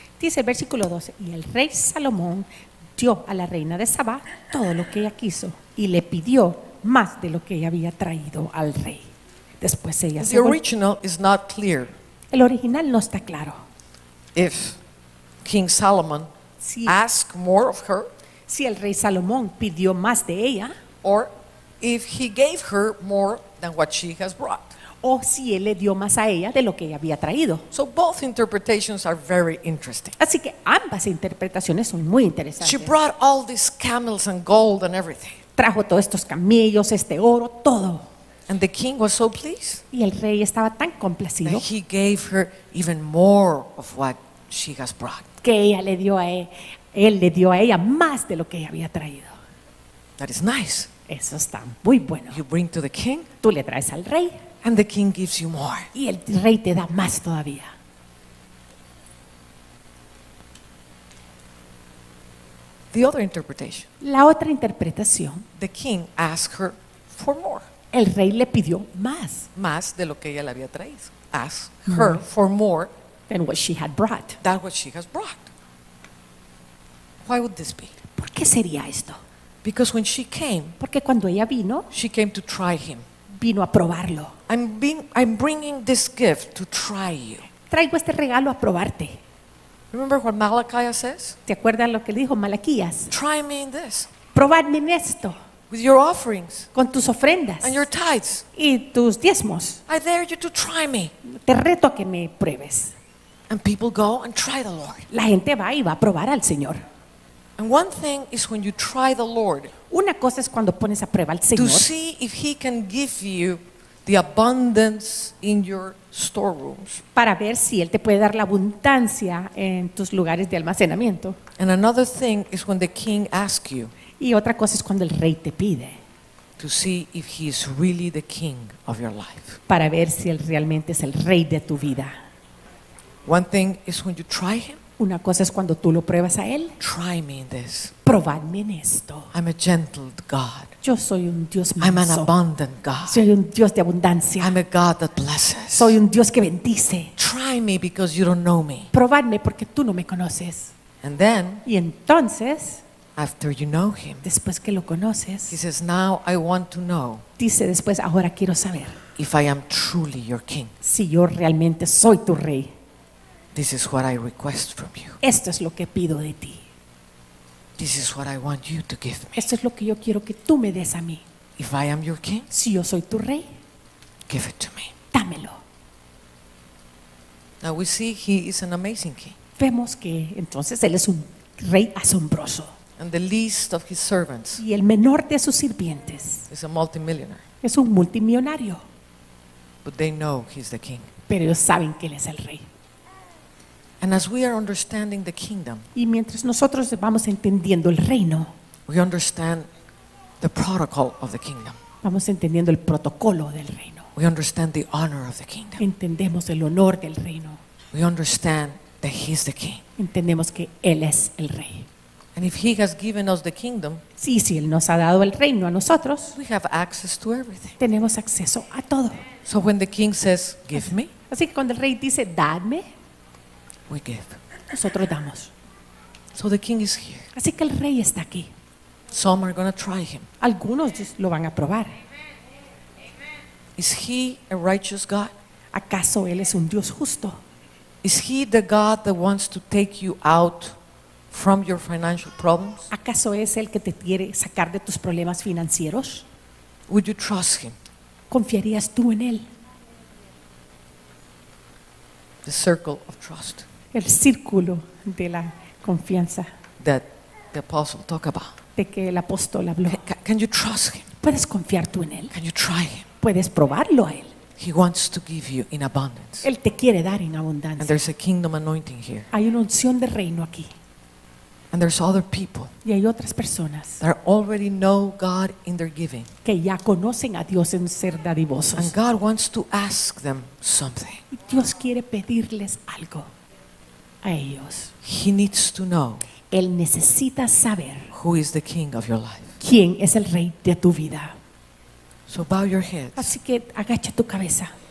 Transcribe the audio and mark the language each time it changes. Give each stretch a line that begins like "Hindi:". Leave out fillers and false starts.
Spanish: Dice el versículo 12, y el rey Salomón dio a la reina de Saba todo lo que ella quiso y le pidió más de lo que ella había traído al rey. Después ella
English: se original is not clear.
Spanish: El original no está claro.
English: If King Solomon
Spanish: si,
English: asked more of her,
Spanish: si el rey Salomón pidió más de ella,
English: or if he gave her more than what she has brought.
Spanish: O si él le dio más a ella de lo que ella había traído.
English: So both interpretations are very interesting.
Spanish: Así que ambas interpretaciones son muy interesantes.
English: She brought all these camels and gold and everything.
Spanish: Trajo todos estos camellos, este oro, todo.
English: And the king was so pleased.
Spanish: Y el rey estaba tan complacido.
English: That he gave her even more of what she has brought.
Spanish: Que ella le dio a él le dio a ella más de lo que ella había traído.
English: That is nice.
Spanish: Eso está muy bueno.
English: You bring to the king.
Spanish: Tú le traes al rey.
English: And the king gives you more.
Spanish: Y el rey te da más todavía.
English: The other interpretation.
Spanish: La otra interpretación.
English: The king asked her for more.
Spanish: El rey le pidió más. Más de lo que ella le había traído.
English: Asked her for more than what she had brought. That what she has brought. Why would this be?
Spanish: ¿Por qué sería esto?
English: Because when she came,
Spanish: porque cuando ella vino,
English: she came to try him.
Spanish: Vino a probarlo.
English: I'm bringing this gift to try you.
Spanish: Traigo este regalo a probarte.
English: Remember what Malachi says?
Spanish: ¿Te acuerdas lo que dijo Malaquías?
English: Try me in this.
Spanish: Probadme en esto.
English: With your offerings.
Spanish: Con tus ofrendas.
English: And your tithes.
Spanish: Y tus diezmos.
English: I dare you to try me.
Spanish: Te reto a que me pruebes.
English: And people go and try the Lord.
Spanish: La gente va y va a probar al Señor.
English: And one thing is when you try the Lord.
Spanish: Una cosa es cuando pones a prueba al Señor.
English: To see if he can give you the abundance in your storerooms.
Spanish: Para ver si él te puede dar la abundancia en tus lugares de almacenamiento.
English: And another thing is when the king asks you.
Spanish: Y otra cosa es cuando el rey te pide.
English: To see if he is really the king of your life.
Spanish: Para ver si él realmente es el rey de tu vida.
English: One thing is when you try him.
Spanish: Una cosa es cuando tú lo pruebas a él.
English: Try me in this.
Spanish: Probadme en esto.
English: I'm a gentle God.
Spanish: Yo soy un Dios manso.
English: I'm an abundant God.
Spanish: Soy un Dios de abundancia.
English: I'm a God that blesses.
Spanish: Soy un Dios que bendice.
English: Try me because you don't know me.
Spanish: Probadme porque tú no me conoces.
English: And then,
Spanish: y entonces,
English: after you know him,
Spanish: después que lo conoces,
English: he says, "Now I want to know."
Spanish: Dice después, ahora quiero saber.
English: If I am truly your king.
Spanish: Si yo realmente soy tu rey.
English: This is what I request from you.
Spanish: Esto es lo que pido de ti.
English: This is what I want you to give me.
Spanish: Esto es lo que yo quiero que tú me des a mí.
English: If I am your king,
Spanish: si yo soy tu rey,
English: give it to me.
Spanish: Dámelo.
English: Now we see he is an amazing king.
Spanish: Vemos que entonces él es un rey asombroso.
English: And the least of his servants.
Spanish: Y el menor de sus sirvientes.
English: Is a multimillionaire.
Spanish: Es un multimillonario.
English: But they know he's the king.
Spanish: Pero ellos saben que él es el rey.
English: And as we are understanding the kingdom,
Spanish: y mientras nosotros vamos entendiendo el reino,
English: we understand the protocol of the kingdom.
Spanish: Vamos entendiendo el protocolo del reino.
English: We understand the honor of the kingdom.
Spanish: Entendemos el honor del reino.
English: We understand that he is the king.
Spanish: Entendemos que él es el rey.
English: And if he has given us the kingdom,
Spanish: si él nos ha dado el reino a nosotros,
English: we have access to everything.
Spanish: Tenemos acceso a todo.
English: So when the king says, "Give me,"
Spanish: así que cuando el rey dice, "Dadme,"
English: we give.
Spanish: Nosotros damos.
English: So the king is here.
Spanish: Así que el rey está aquí.
English: Some are gonna try him.
Spanish: Algunos lo van a probar.
English: Is he a righteous God?
Spanish: ¿Acaso él es un Dios justo?
English: Is he the God that wants to take you out from your financial problems?
Spanish: ¿Acaso es el que te quiere sacar de tus problemas financieros?
English: Would you trust him?
Spanish: ¿Confiarías tú en él?
English: The circle of trust.
Spanish: El círculo de la confianza.
English: That the apostle talked about.
Spanish: De que el apóstol habló.
English: Can you trust him?
Spanish: ¿Puedes confiar tú en él?
English: Can you try him?
Spanish: ¿Puedes probarlo a él?
English: He wants to give you in abundance.
Spanish: Él te quiere dar en abundancia.
English: And there's a kingdom anointing here.
Spanish: Hay una unción de reino aquí.
English: And there's other people.
Spanish: Y hay otras personas.
English: That already know God in their giving.
Spanish: Que ya conocen a Dios en ser dadivosos.
English: And God wants to ask them something.
Spanish: Y Dios quiere pedirles algo. A ellos.
English: He needs to know.
Spanish: Él necesita saber.
English: Who is the king of your life?
Spanish: ¿Quién es el rey de tu vida?
English: So bow your heads.
Spanish: Así que agacha tu cabeza.